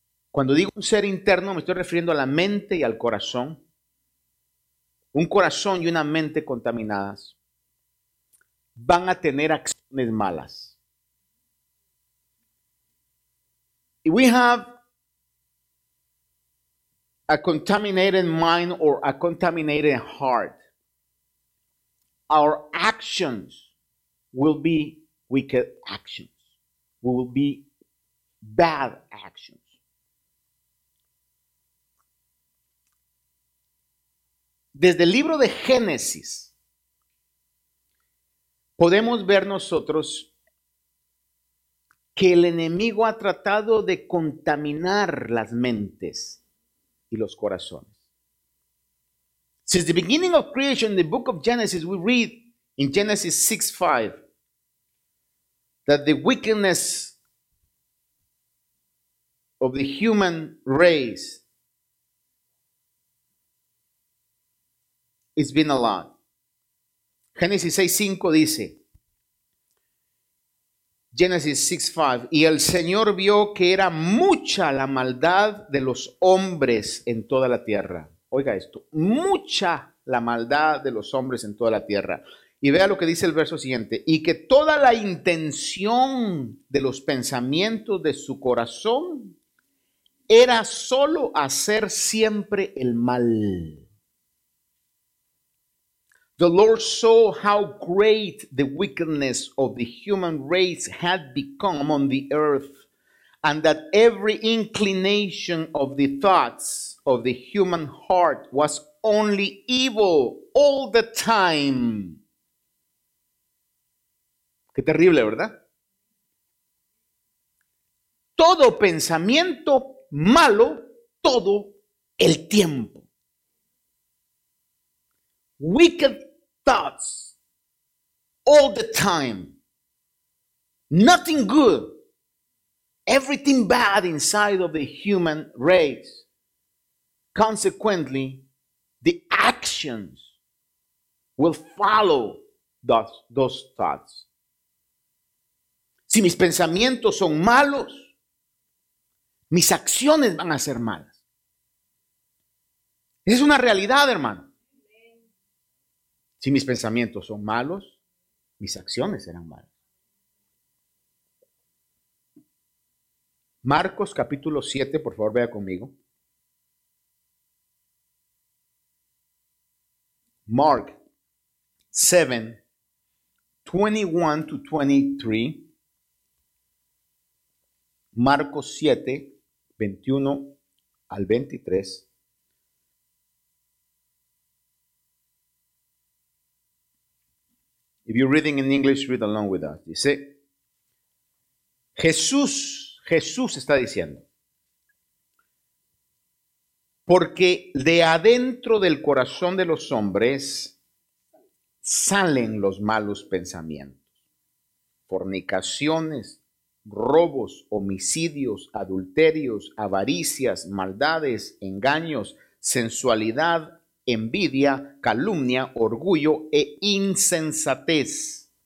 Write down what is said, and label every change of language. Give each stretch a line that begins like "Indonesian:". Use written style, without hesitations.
Spanish: Cuando digo un ser interno, me estoy refiriendo a la mente y al corazón. Un corazón y una mente contaminadas van a tener acciones malas.
English: If we have a contaminated mind or a contaminated heart, our actions will be wicked actions. We will be bad actions.
Spanish: Desde el libro de Génesis, podemos ver nosotros que el enemigo ha tratado de contaminar las mentes y los corazones.
English: Since the beginning of creation, the book of Genesis, we read in Genesis 6:5 that the wickedness of the human race it's been a lot.
Spanish: Génesis 6:5 dice, Génesis 6:5, y el Señor vio que era mucha la maldad de los hombres en toda la tierra. Oiga esto, mucha la maldad de los hombres en toda la tierra. Y vea lo que dice el verso siguiente, y que toda la intención de los pensamientos de su corazón era solo hacer siempre el mal.
English: The Lord saw how great the wickedness of the human race had become on the earth, and that every inclination of the thoughts of the human heart was only evil all the time.
Spanish: Qué terrible, ¿verdad? Todo pensamiento malo, todo el tiempo.
English: Wicked thoughts all the time, nothing good, everything bad inside of the human race. Consequently, the actions will follow those thoughts.
Spanish: Si mis pensamientos son malos, mis acciones van a ser malas. Es una realidad, hermano. Si mis pensamientos son malos, mis acciones serán malas. Marcos capítulo 7, por favor, vea conmigo.
English: Mark 7, 21 to 23.
Spanish: Marcos 7, 21 al 23.
English: If you're reading in English, read along with us.
Spanish: Dice, Jesús está diciendo, porque de adentro del corazón de los hombres salen los malos pensamientos, fornicaciones, robos, homicidios, adulterios, avaricias, maldades, engaños, sensualidad, envidia, calumnia, orgullo e insensatez.